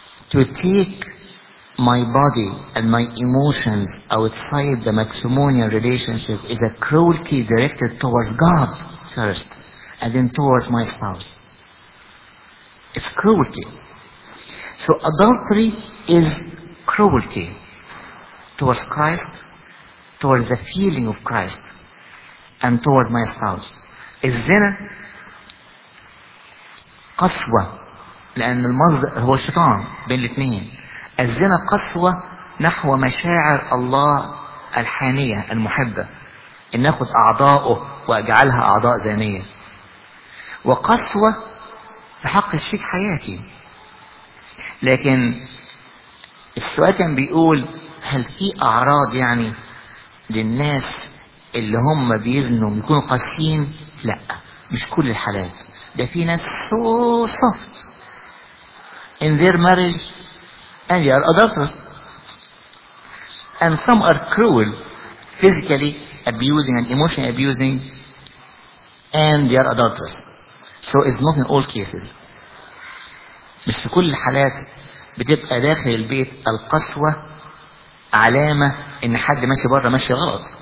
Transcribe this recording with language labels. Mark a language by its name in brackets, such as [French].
[English] To take my body and my emotions outside the matrimonial relationship is a cruelty directed towards God first and then towards my spouse. It's cruelty. So adultery is cruelty towards Christ, towards the feeling of Christ, and towards my spouse. [Arabic] Is zina qaswa, لأن المصدر هو الشيطان بين الاثنين. الزنا قسوة نحو مشاعر الله الحانية المحبة، إن أخذ أعضاؤه وأجعلها أعضاء زانية، وقسوة في حق الشريك حياتي. لكن السؤال كان بيقول هل في أعراض يعني للناس اللي هم بيزنوا بيكونوا قاسيين؟ لا، مش كل الحالات. ده في ناس [English] so soft in their marriage and they are adulterous, and some are cruel physically abusing and emotionally abusing and they are adulterous. So it's not in all cases. [Arabic] مش في كل الحالات بتبقى داخل البيت القسوة علامة ان حد ماشي بره ماشي غلط.